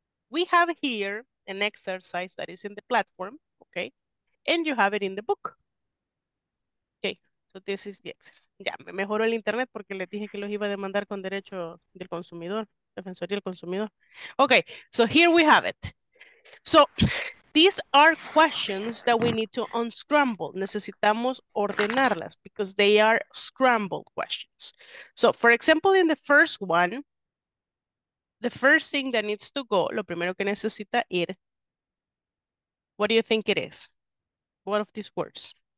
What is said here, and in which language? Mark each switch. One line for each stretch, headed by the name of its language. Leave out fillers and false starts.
English: We have here an exercise that is in the platform, okay? And you have it in the book. So this is the exercise.
Spanish: Ya, me mejoró el internet porque les dije que los iba a demandar con derecho del consumidor, defensoría del consumidor.
English: Okay, so here we have it. So these are questions that we need to unscramble.
Spanish: Necesitamos ordenarlas
English: because they are scrambled questions. So for example, in the first one, the first thing that needs to go,
Spanish: lo primero que necesita ir,
English: what do you think it is? What of these words?